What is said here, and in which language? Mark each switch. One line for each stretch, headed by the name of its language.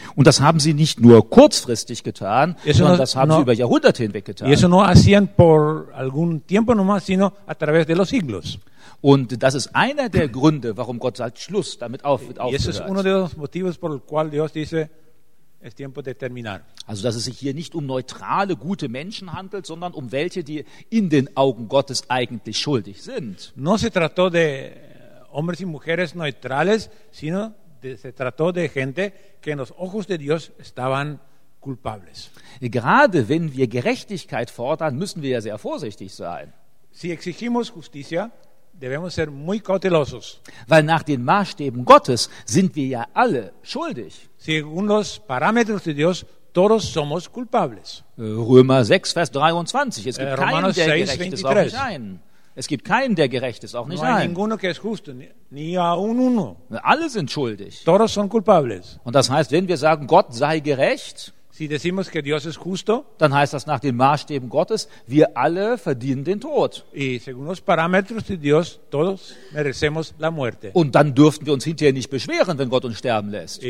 German: Und das haben sie nicht nur kurzfristig getan, sondern das haben sie über Jahrhunderte hinweg getan.
Spanish: Y eso no hacían por algún tiempo nomás, sino a través de los siglos.
German: Und das ist einer der Gründe, warum Gott sagt, Schluss, damit aufhört.
Spanish: Y eso es uno de los motivos por el cual Dios dice, es tiempo de terminar.
German: Also, dass es sich hier nicht um neutrale, gute Menschen handelt, sondern um welche, die in den Augen Gottes eigentlich schuldig sind.
Spanish: No se trató de hombres y mujeres neutrales, sino se trató de gente que en los ojos de Dios estaban culpables.
German: Gerade wenn wir Gerechtigkeit fordern, müssen wir ja sehr vorsichtig sein.
Spanish: Si exigimos justicia, debemos ser muy cautelosos.
German: Weil nach den Maßstäben Gottes sind wir ja alle schuldig.
Spanish: Según los parámetros de Dios, todos somos culpables.
German: Römer 6, Vers 23. Es gibt keinen, der gerecht ist, auch nicht einen. Es gibt keinen, der gerecht ist, auch nicht
Spanish: no hay
German: einen.
Spanish: Ninguno que es justo, ni a un uno.
German: Alle sind schuldig.
Spanish: Todos son culpables.
German: Und das heißt, wenn wir sagen, Gott sei gerecht,
Spanish: si decimos que Dios es justo,
German: dann heißt das nach den Maßstäben Gottes, wir alle verdienen den Tod.
Spanish: Y según los parámetros de Dios, todos merecemos la muerte.
German: Und dann dürften wir uns hinterher nicht beschweren, wenn Gott uns sterben lässt.